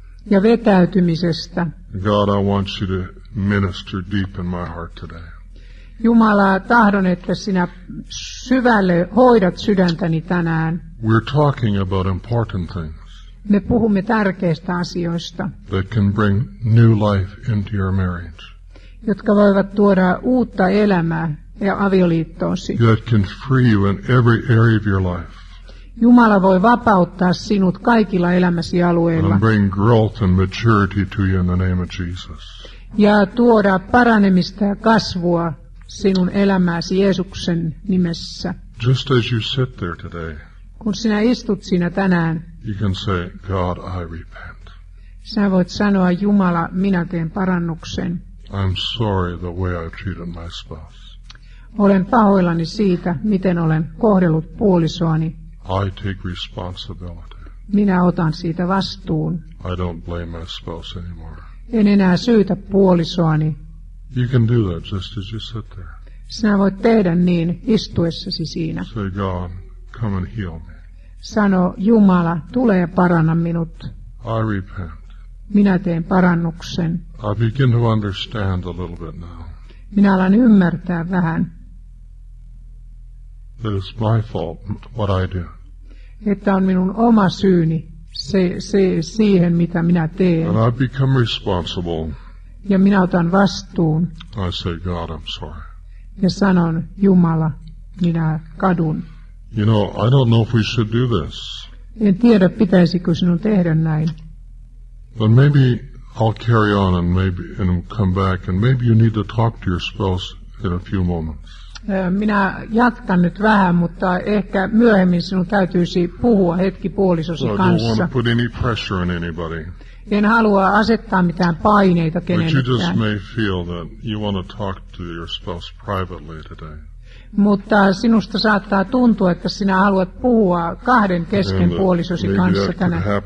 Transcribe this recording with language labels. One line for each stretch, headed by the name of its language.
Finnish: Ja vetäytymisestä.
English: God, I want you to minister deep in my heart today.
Finnish: Jumala, tahdon, että sinä syvälle hoidat sydäntäni tänään.
English: We're talking about important things.
Finnish: Me puhumme tärkeistä asioista.
English: That can bring new life into your marriage.
Finnish: Jotka voivat tuoda uutta elämää ja avioliittoosi.
English: That can free you in every area of your life.
Finnish: Jumala voi vapauttaa sinut kaikilla elämäsi alueilla.
English: And bring growth and maturity to you in the name of Jesus.
Finnish: Ja tuoda paranemista ja kasvua sinun elämääsi Jeesuksen nimessä.
English: Just as you sit there today.
Finnish: Kun sinä istut siinä tänään.
English: You can say, God, I repent.
Finnish: Sinä voit sanoa, Jumala, minä teen parannuksen.
English: I'm sorry the way I treated my spouse.
Finnish: Olen pahoillani siitä, miten olen kohdellut puolisoani.
English: I take responsibility.
Finnish: Minä otan siitä vastuun.
English: I don't blame my spouse anymore.
Finnish: En enää syytä puolisoani.
English: You can do that just as you sit there.
Finnish: Sinä voit tehdä niin istuessasi siinä.
English: Say, God, come and heal me.
Finnish: Sano, Jumala, tule ja paranna minut.
English: I repent.
Finnish: Minä teen parannuksen.
English: I begin to understand a little bit now.
Finnish: Minä alan ymmärtää vähän.
English: That it's my fault what I do.
Finnish: Että on minun oma syyni se siihen, mitä minä teen.
English: And I become responsible.
Finnish: Ja minä otan vastuun.
English: I say, God, I'm sorry.
Finnish: Ja sanon, Jumala, minä kadun.
English: You know, I don't know if we should do this.
Finnish: En tiedä, pitäisikö sinun tehdä näin.
English: But maybe I'll carry on and maybe and come back and maybe you need to talk to your spouse in a few moments.
Finnish: Minä jatkan nyt vähän, mutta ehkä myöhemmin sinun täytyisi puhua hetki puolisosi kanssa.
English: I don't want to put any pressure on anybody.
Finnish: En halua asettaa mitään paineita kenellekään.
English: But you just may feel that you want to talk to your spouse privately today.
Finnish: Mutta sinusta saattaa tuntua, että sinä haluat puhua kahden kesken puolisosi kanssa tänään.